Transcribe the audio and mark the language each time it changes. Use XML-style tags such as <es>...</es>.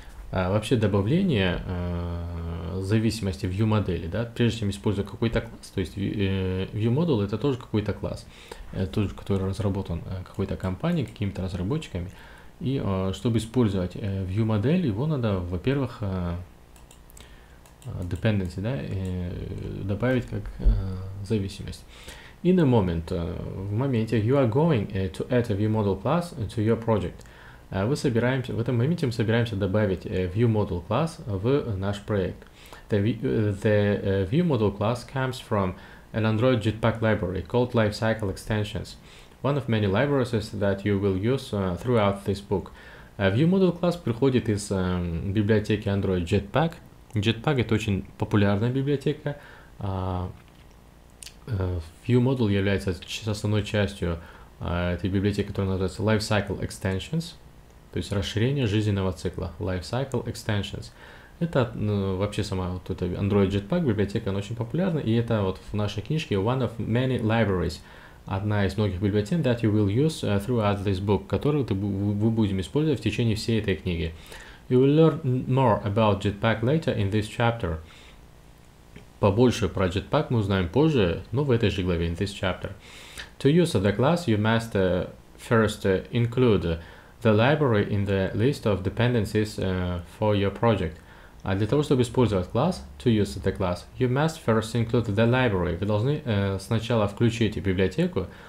<ru>Вообще добавление зависимости view модели, да, прежде чем использовать какой-то класс, то есть view model — это тоже какой-то класс, тот, который разработан какой-то компанией, какими-то разработчиками. И чтобы использовать view модель, его надо, во-первых, dependency, да, добавить как зависимость.</ru> <en>In a moment,</en> <ru>в моменте,</ru> <en>you are going to add a view model class to your project.</en> <ru>Вы собираемся, в этом моменте мы собираемся добавить ViewModel класс в наш проект.</ru> <en>The ViewModel класс comes from an Android Jetpack library called Lifecycle Extensions, one of many libraries that you will use throughout this book.</en> <ru>ViewModel класс приходит из библиотеки Android Jetpack. Jetpack — это очень популярная библиотека. ViewModel является основной частью этой библиотеки, которая называется Lifecycle Extensions. То есть расширение жизненного цикла, Life Cycle Extensions. Это вообще сама вот эта Android Jetpack библиотека, она очень популярна, и это вот в нашей книжке</ru> <en>one of many libraries</en> <ru>одна из многих библиотек</ru> <en>that you will use throughout this book,</en> <ru>которую мы будем использовать в течение всей этой книги.</ru> <en>You will learn more about Jetpack later in this chapter.</en> <ru>Побольше про Jetpack мы узнаем позже, но в этой же главе,</ru> <en>in this chapter. To use the class, you must first include the library in the list of dependencies for your project.</en> <ru>А для того, чтобы использовать класс,</ru> <en>to use the class, you must first include the library.</en> <ru>Вы должны сначала включить библиотеку.</ru>